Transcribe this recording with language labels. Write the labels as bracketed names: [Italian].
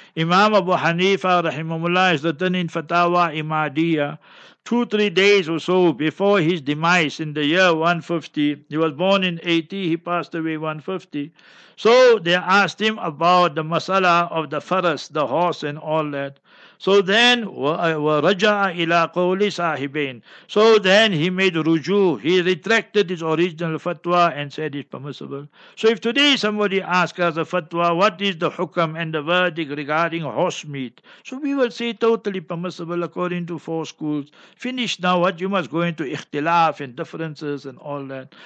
[English] Imam Abu Hanifa rahimahullah is written in Fatawa Imadiya. 2-3 days or so before his demise in the year 150, he was born in 80, he passed away 150. So they asked him about the masala of the faras, the horse and all that. So then, [Arabic] وَرَجَعَ إِلَىٰ قَوْلِ صَاحِبَيْنِ. [English] So then he made rujuh, he retracted his original fatwa and said it's permissible. So if today somebody asks us a fatwa, what is the hukam and the verdict regarding horse meat? So we will say totally permissible according to four schools. Finish now, what you must go into ikhtilaf and differences and all that.